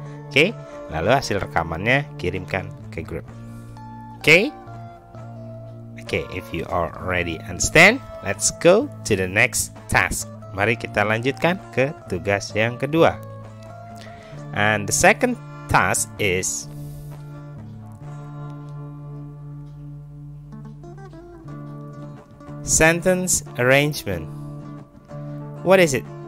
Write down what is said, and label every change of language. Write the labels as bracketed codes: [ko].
[id] Oke, lalu hasil rekamannya kirimkan ke grup. Oke? [en] Oke, if you already understand, let's go to the next task. [id] Mari kita lanjutkan ke tugas yang kedua. [en] And the second task is sentence arrangement. What is it?